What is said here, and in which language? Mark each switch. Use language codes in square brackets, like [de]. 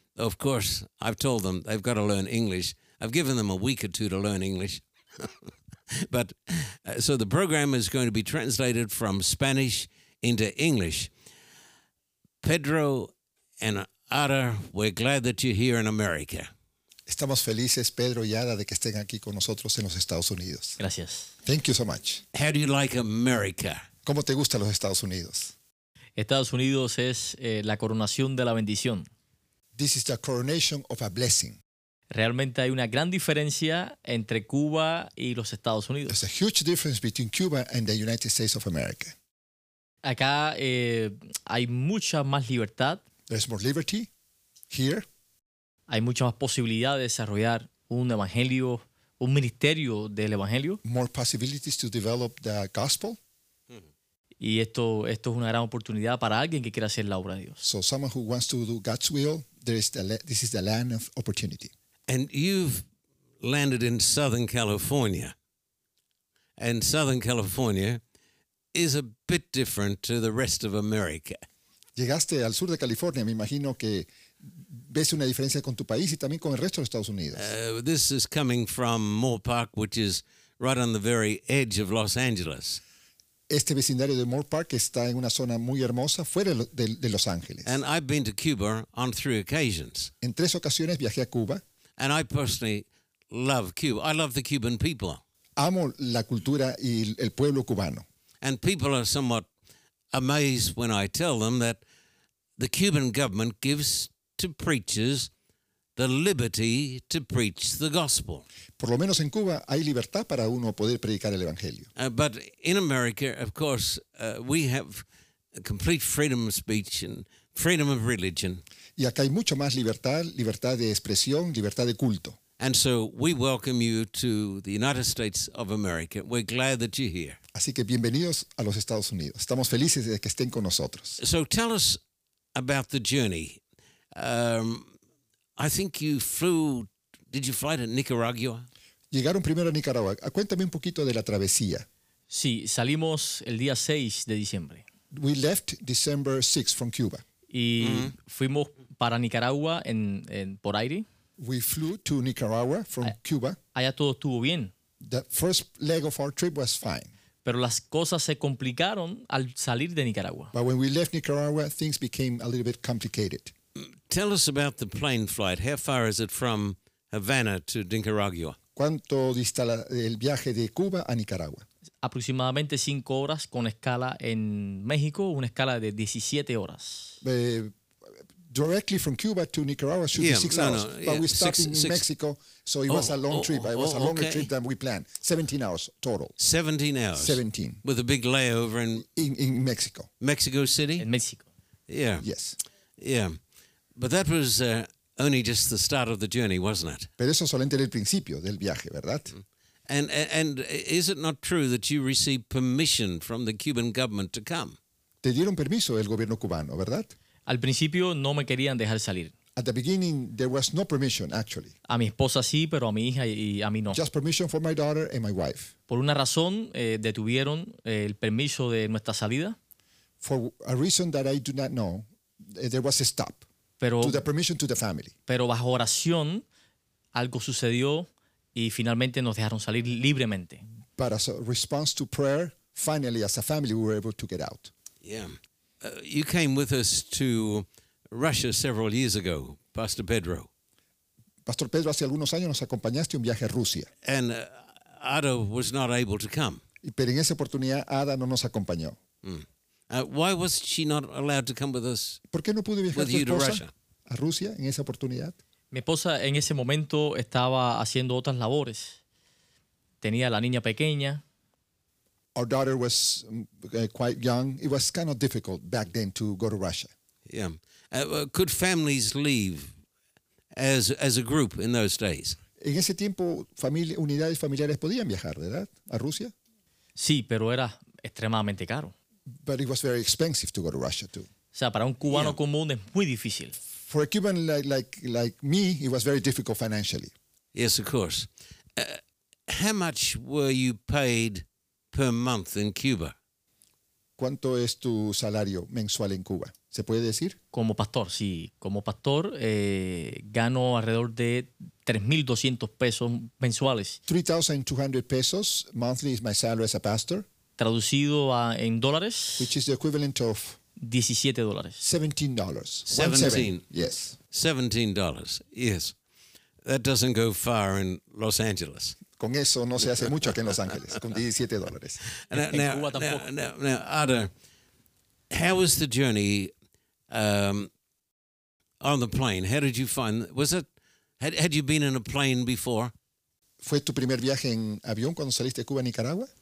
[en] Of course, I've told them they've got to learn English. I've given them a week or two to learn English. But so the program is going to be translated from Spanish into English. Pedro and Ada, we're glad that you're here in America. [es] Estamos felices, Pedro y Ada, de que estén aquí con nosotros en los Estados Unidos. Gracias. [en] Thank you so much. How do you like America? [es] ¿Cómo te gusta los Estados Unidos? Estados Unidos es la coronación de la bendición. [en] This is the coronation of a blessing. [es] Realmente hay una gran diferencia entre Cuba y los Estados Unidos. [en] There's a huge difference between Cuba and the United States of America. [es] Acá hay mucha más libertad. [en] There's more liberty here. [es] Hay mucha más posibilidad de desarrollar un evangelio, un ministerio del evangelio. [en] More possibilities to develop the gospel. [es] Y esto es una gran oportunidad para alguien que quiera hacer la obra de Dios. [en] So someone who wants to do God's will, this is the land of opportunity. And you've landed in Southern California. And Southern California is a bit different to the rest of America. [es] Llegaste al sur de California. Me imagino que ves una diferencia con tu país y también con el resto de Estados Unidos. [en] This is coming from Moore Park, which is right on the very edge of Los Angeles. [es] Este vecindario de Moore Park está en una zona muy hermosa fuera de Los Ángeles. [en] And I've been to Cuba on three occasions. [es] En tres ocasiones viajé a Cuba. [en] And I personally love Cuba. I love the Cuban people. [es] Amo la cultura y el pueblo cubano. [en] And people are somewhat amazed when I tell them that the Cuban government gives to preachers the liberty to preach the gospel. [es] Por lo menos en Cuba hay libertad para uno poder predicar el evangelio. [en] But in America, of course, we have a complete freedom of speech and freedom of religion. [es] Y acá hay mucho más libertad, libertad de expresión, libertad de culto. [en] And so we welcome you to the United States of America. We're glad that you're here. [es] Así que bienvenidos a los Estados Unidos. Estamos felices de que estén con nosotros. [en] So tell us about the journey. I think you flew, did you fly to Nicaragua? [es] Llegaron primero a Nicaragua. Cuéntame un poquito de la travesía. Sí, salimos el día 6 de diciembre. [en] We left December 6th from Cuba. [es] Y fuimos para Nicaragua en por aire. [en] We flew to Nicaragua from Cuba. [es] Allá todo estuvo bien. [en] The first leg of our trip was fine. [es] Pero las cosas se complicaron al salir de Nicaragua. [en] But when we left Nicaragua, things became a little bit complicated. Tell us about the plane flight. How far is it from Havana to Nicaragua? [es] ¿Cuánto dista el viaje de Cuba a Nicaragua? Aproximadamente 5 horas con escala en México, una escala de 17 horas. [en] Directly from Cuba to Nicaragua should be 6 hours. No, but we stopped in Mexico, so it was a long trip. It was a longer trip than we planned. 17 hours total. 17 hours? 17. With a big layover in Mexico. Mexico City? In Mexico. Yeah. Yes. Yeah. But that was only just the start of the journey, wasn't it? [es] Pero eso solamente era el principio del viaje, ¿verdad? [en] And is it not true that you received permission from the Cuban government to come? [es] Te dieron permiso el gobierno cubano, ¿verdad? Al principio no me querían dejar salir. [en] At the beginning there was no permission actually. [es] A mi esposa sí, pero a mi hija y a mí no. [en] Just permission for my daughter and my wife. [es] Por una razón detuvieron el permiso de nuestra salida. [en] For a reason that I do not know, there was a stop. [es] Pero, [en] to the permission to the family. [es] Pero bajo oración algo sucedió y finalmente nos dejaron salir libremente. [en] But as a response to prayer, finally as a family we were able to get out. Yeah. You came with us to Russia several years ago, Pastor Pedro. [es] Pastor Pedro, hace algunos años nos acompañaste un viaje a Rusia. [en] And Ada was not able to come. [es] Pero en esa oportunidad Ada no nos acompañó. [en] Why was she not allowed to come with us? [es] ¿Por qué no pudo viajar [en] with [es] tu esposa [en] you to Russia? [es] A Rusia en esa oportunidad. Mi esposa en ese momento estaba haciendo otras labores. Tenía la niña pequeña. [en] Our daughter was quite young. It was kind of difficult back then to go to Russia. Yeah. Could families leave as a group in those days? [es] En ese tiempo, unidades familiares podían viajar, ¿verdad? A Rusia. Sí, pero era extremadamente caro. [en] But it was very expensive to go to Russia too. [es] O sea, para un cubano común es muy difícil. [en] For a Cuban like me, it was very difficult financially. Yes, of course. How much were you paid per month in Cuba? [es] ¿Cuánto es tu salario mensual en Cuba? ¿Se puede decir? Como pastor, sí. Como pastor, gano alrededor de 3,200 pesos mensuales. [en] 3,200 pesos monthly is my salary as a pastor. [es] Traducido a, en dólares. [en] Which is the equivalent of $17. $17. $17. Yes. That doesn't go far in Los Angeles. [es] Con eso no se hace mucho aquí en Los Ángeles, con $17. [en] Now, Ada, how was the journey on the plane? How did you find, had you been in a plane before? [es] ¿Fue tu primer viaje en avión cuando saliste de Cuba a Nicaragua?